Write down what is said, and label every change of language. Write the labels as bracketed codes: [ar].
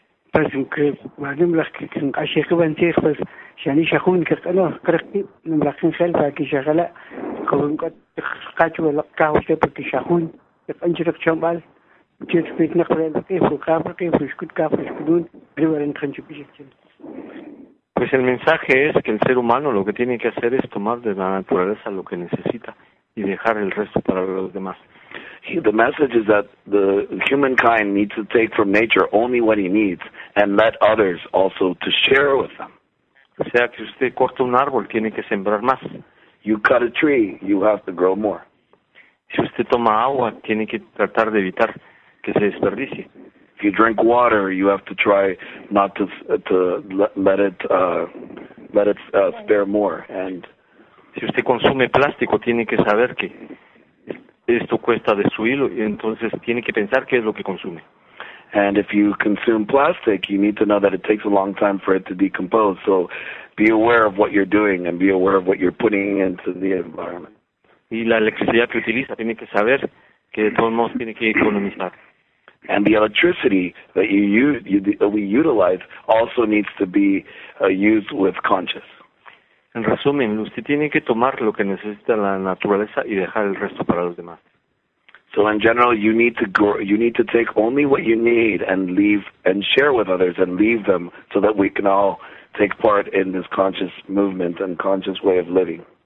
[es] Pues que vayamos las que son así que van tierras, pues ya ni se juntan, que no creo que no las quieren salir para que se haga como un cacho de caos, porque se juntan, que han hecho chambal, que es que no creen que es un cabro, que es un escudo, que es un escudo, pero van a entrar en su piso. Pues el mensaje es que el ser humano lo que tiene que hacer es tomar de la naturaleza lo que necesita y dejar el resto para los demás. [en] The message is that the humankind needs to take from nature only what he needs and let others also to share with them. [es] O sea, que usted corta un árbol, tiene que sembrar más. [en] You cut a tree, you have to grow more. [es] Si usted toma agua, tiene que tratar de evitar que se desperdicie. [en] If you drink water, you have to try not to let it spare more. And [es] si usted consume plástico, tiene que saber que esto cuesta destruirlo, y entonces tiene que pensar qué es lo que consume. [en] And if you consume plastic, you need to know that it takes a long time for it to decompose. So be aware of what you're doing and be aware of what you're putting into the environment. [es] Y la electricidad que utiliza tiene que saber que de todos modos tiene que economizar. [en] And the electricity that you we utilize also needs to be used with conscience. [es] En resumen, usted tiene que tomar lo que necesita la naturaleza y dejar el resto para los demás. [en] So in general, you need to take only what you need and leave and share with others and leave them so that we can all take part in this conscious movement and conscious way of living.